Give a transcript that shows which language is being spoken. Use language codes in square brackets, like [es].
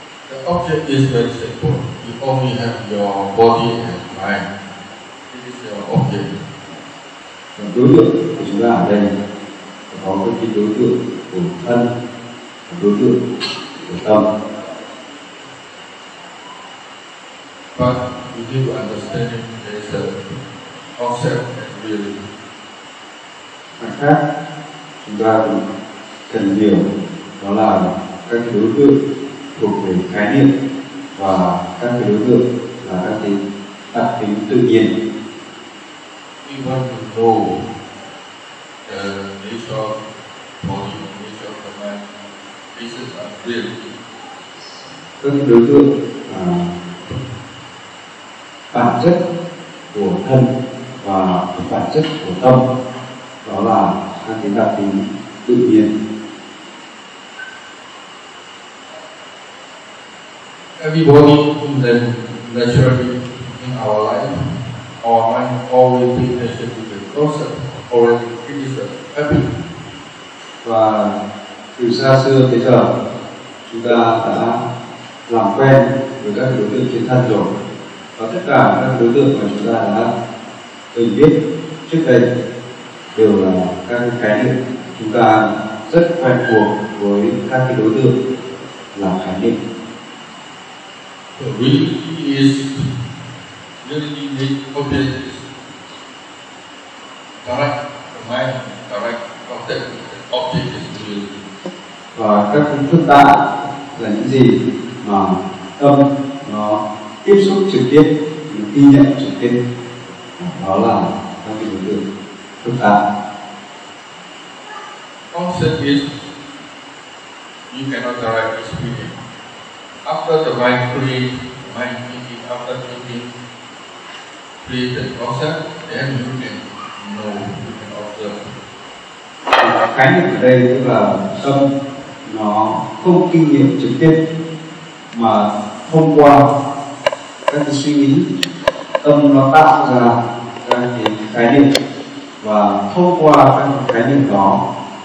[en] The object is very simple. You only have your body and mind. This is your object. [vi] Đối tượng của chúng ta ở đây có cái đối tượng của thân, đối tượng của tâm. [en] But we need to understand it as a concept and reality. [vi] Mặt khác, chúng ta cũng cần hiểu đó là các đối tượng thuộc về khái niệm và các đối tượng là các đặc tính tự nhiên. [en] We want to know the nature of body, nature of the mind. This is a reality. [vi] Các đối tượng là... bản chất của thân và bản chất của tâm đó là các cái đặc tính tự nhiên. [en] Everybody is naturally in our life. Our mind always be attached to the concept, always it is a habit. [vi] Và từ xa xưa tới giờ chúng ta đã làm quen với các đối tượng trên thân rồi. Và tất cả các đối tượng mà chúng ta đã từng biết trước đây đều là các khái niệm. Chúng ta rất quen thuộc với các cái đối tượng là khái niệm. [en] The reality is really the object is correct, the mind is correct, object is reality. [vi] Và các phương thức ta là những gì mà tâm nó... tiếp xúc trực tiếp, ghi nhận trực tiếp, đó là các cái đối tượng phức tạp. [en] Concept is you cannot direct experience. After the mind creates, mind thinking, after thinking, create the concept, then you can know, you can observe. [vi] Khái niệm ở đây tức là tâm nó không kinh nghiệm trực tiếp mà thông qua. Các cái suy nghĩ tâm nó tạo ra các cái khái niệm và thông qua các cái khái niệm đó